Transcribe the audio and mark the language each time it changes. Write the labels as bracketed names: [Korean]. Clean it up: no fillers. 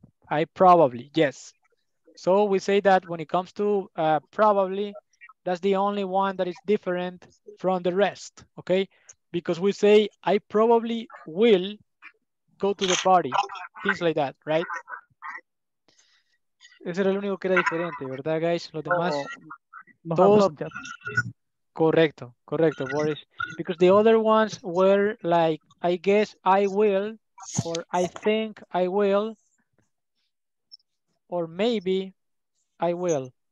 [English] I probably, yes. So we say that when it comes to probably, that's the only one that is different from the rest, okay? Because we say, I probably will go to the party, things like that, right? [Spanish] Ese era el único que era diferente, ¿verdad, guys? Los demás, todos, correcto, Boris. [English] Because the other ones were like, I guess I will, or I think I will, or maybe I will.